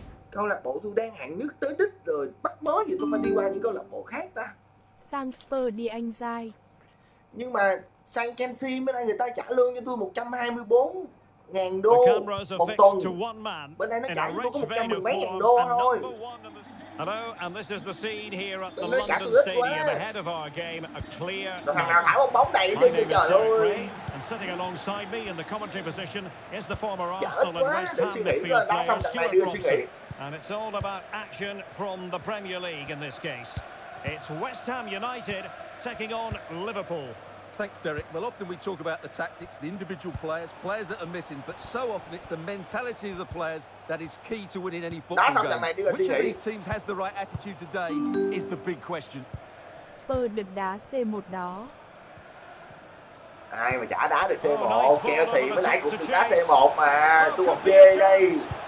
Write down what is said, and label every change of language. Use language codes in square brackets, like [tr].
[vi] Câu lạc bộ tôi đang hạng nhất tới đích rồi bắt mới thì tôi phải đi qua những câu lạc bộ khác ta. Sang Spurs đi anh trai. Nhưng mà sang Chelsea bên đây người ta trả lương cho tôi 124.000 đô một tuần. Bên đây nó trả tôi có 110 mấy ngàn đô thôi. [en] Hello, and this is the scene here at the London Stadium ahead of our game. A clear. And sitting alongside me in the commentary position is the former Arsenal and West Ham midfielder Stuart Robson. And it's all about action from the Premier League in this case. It's West Ham United taking on Liverpool. Thanks, Derek. Well, often we talk about the tactics, the individual players, players that are missing, but so often it's the mentality of the players that is key to winning any football game. Which of these teams has the right attitude today is the big question. [vi] Spurs được đá C1 đó. Ai mà chả đá được C1, kêu xì với lại cũng được đá C1 mà, tôi còn chê đây.